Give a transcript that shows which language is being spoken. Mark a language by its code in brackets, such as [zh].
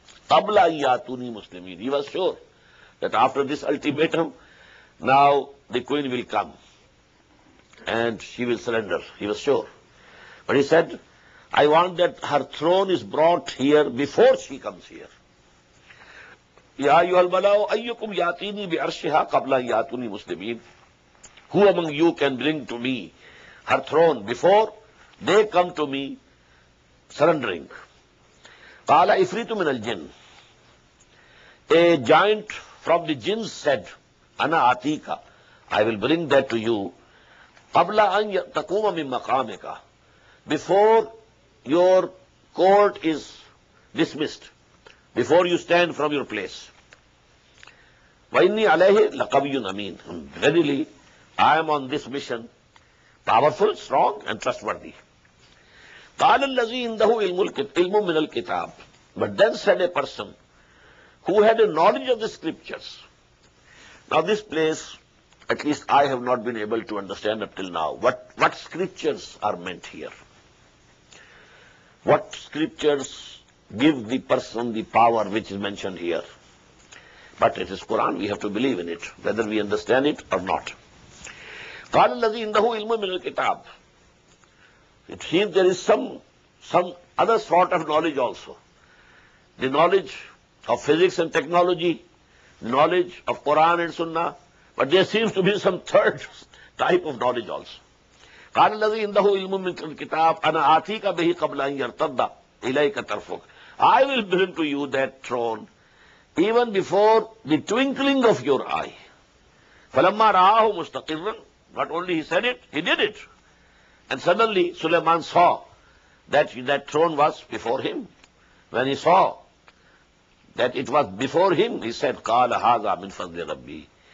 [ar] قبل أن يأتوني مسلمين. [en] He was sure that after this ultimatum, now the queen will come and she will surrender. He was sure. But he said, I want that her throne is brought here before she comes here. [ar] يا أيها الملأ أيكم يأتيني بأرشها قبل أن يأتوني مسلمين. [en] Who among you can bring to me her throne before they come to me surrendering? [ar] قَالَ إِفْرِيتُ مِنَ الْجِنِ. [en] A giant from the jinns said, [ar] أَنَا آتِيكَ. [en] I will bring that to you. [ar] قَبْلَ أَنْ تَقُومَ مِنْ مَقَامِكَ. [en] Before your court is dismissed, before you stand from your place. [ar] وَإِنِّي عَلَيْهِ لَقَوِيٌّ أَمِينٌ. [en] Verily, I am on this mission, powerful, strong, and trustworthy. [ar] قال الذي عنده علم من الكتاب. [en] But then said a person who had a knowledge of the scriptures. Now this place, at least I have not been able to understand up till now. What scriptures are meant here? What scriptures give the person the power which is mentioned here? But it is Quran, we have to believe in it, whether we understand it or not. [ar] قال الذي عنده علم من الكتاب. [en] It seems there is some other sort of knowledge also. The knowledge of physics and technology, the knowledge of Quran and Sunnah, but there seems to be some third type of knowledge also. [ar] قال الذي عنده علم من الكتاب أنا آتيك به قبل أن يرتد إليك طرفك. [en] I will bring to you that throne even before the twinkling of your eye. [ar] فلما رآه مستقرا. [en] Not only he said it, he did it. And suddenly Sulaiman saw that throne was before him. When he saw that it was before him, he said, [ar] قَالَ هَذَا مِنْ فَضْلِ رَبِّي.